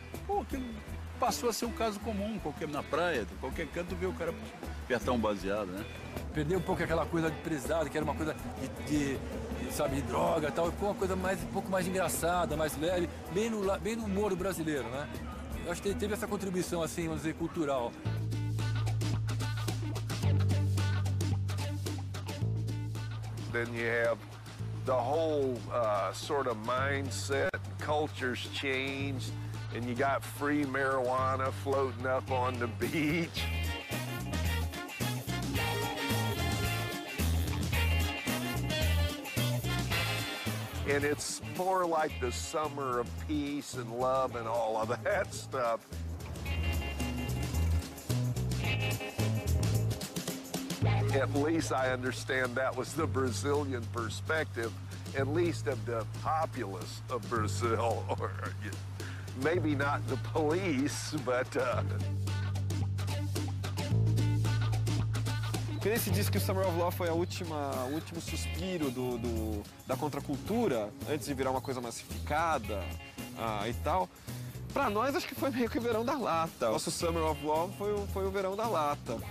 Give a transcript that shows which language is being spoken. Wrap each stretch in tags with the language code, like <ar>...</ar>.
<pt>Pô, aquilo passou a ser um caso comum, qualquer na praia, qualquer canto vê o cara apertar um baseado, né? Perdeu um pouco aquela coisa de prezado, que era uma coisa de droga e tal, ficou uma coisa mais, um pouco mais engraçada, mais leve, bem no humor brasileiro, né? Eu acho que teve essa contribuição, assim, vamos dizer, cultural.</pt> <en>Then you have the whole sort of mindset, cultures changed, and you got free marijuana floating up on the beach. And it's more like the summer of peace and love and all of that stuff. At least I understand that was the Brazilian perspective, at least of the populace of Brazil, or maybe not the police, but...</en> <pt>Que nem se diz que o Summer of Law foi o último suspiro da contracultura, antes de virar uma coisa massificada e tal. Pra nós, acho que foi meio que o verão da lata. Nosso Summer of Law foi o verão da lata.</pt>